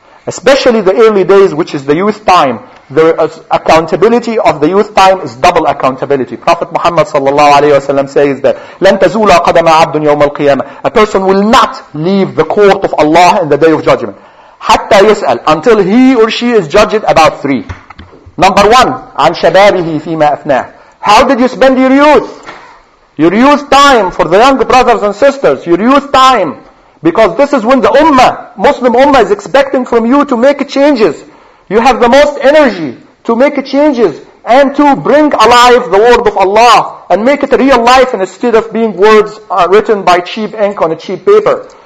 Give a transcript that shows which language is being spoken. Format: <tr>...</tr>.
<en>Especially the early days, which is the youth time. The accountability of the youth time is double accountability. Prophet Muhammad sallallahu alayhi wa sallam says that</en> <ar>لَن تَزُولَ قَدَمَ عَبْدٌ يَوْمَ الْقِيَامَةِ.</ar> <en>A person will not leave the court of Allah in the Day of Judgment.</en> <ar>حَتَّى يَسْأَلْ.</ar> <en>Until he or she is judged about three. Number one,</en> <ar>عَنْ شَبَابِهِ فِيمَا أَفْنَاهِ.</ar> <en>How did you spend your youth? Your youth time for the young brothers and sisters. Your youth time. Because this is when the ummah, Muslim ummah, is expecting from you to make changes. You have the most energy to make changes and to bring alive the word of Allah and make it a real life instead of being words written by cheap ink on a cheap paper.</en>